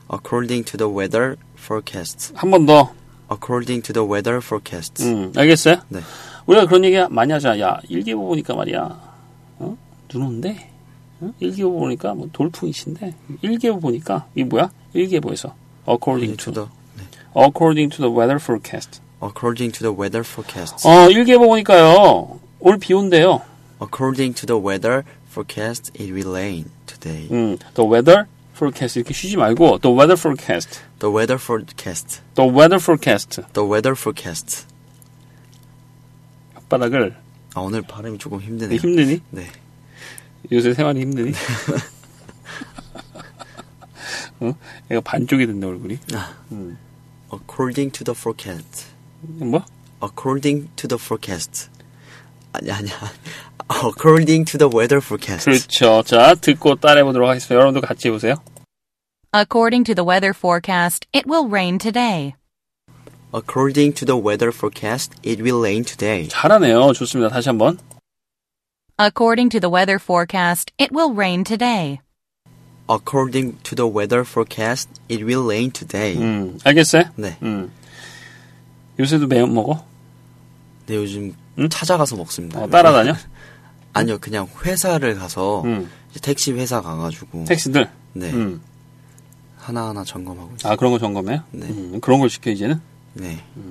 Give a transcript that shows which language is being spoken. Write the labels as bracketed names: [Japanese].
[English] According to the weather forecast. [Korean] 한 번 더. [English] According to the weather forecast. [Korean] 알겠어요? 네. 우리가 그런 얘기 많이 하잖아. 야, 일기예보 보니까 말이야. 어? 눈 온대. 어? 일기예보 보니까 뭐 돌풍이신데. 일기예보 보니까 이게 뭐야? 일기예보에서. [English] According to the According to the weather forecast. According to the weather forecast. [Korean] 일기예보 보니까요. 오늘 비 온대요. [English] According to the weather forecast, it will rain today. The weather forecast. [Korean] 이렇게 쉬지 말고. [English] The weather forecast. The weather forecast. The weather forecast. The weather forecast. [Korean] 혓바닥을. 아, 오늘 발음이 조금 힘드네요. 네, 힘드니? 네. 요새 생활이 힘드니? 얘가 반쪽이 됐네, 얼굴이. [English] According to the forecast. [Korean] 뭐? [English] According to the forecast. [Korean] 아니야, 아니야. [English] According to the weather forecast. [Korean] 그렇죠. 자, 듣고 따라해보도록 하겠습니다. 여러분도 같이 해보세요. [English] According to the weather forecast, it will rain today. According to the weather forecast, it will rain today. [Korean] 잘하네요. 좋습니다. 다시 한번. [English] According to the weather forecast, it will rain today. According to the weather forecast, it will rain today. [Korean] 알겠어요? 네. 요새도 매운 먹어? 네, 요즘 찾아가서 먹습니다. 따라다녀? 아니요, 그냥 회사를 가서 이제 택시 회사 가가지고 택시들? 네. 하나하나 점검하고 있어요. 아, 그런 거 점검해요? 네. 그런 걸 시켜, 이제는? 네.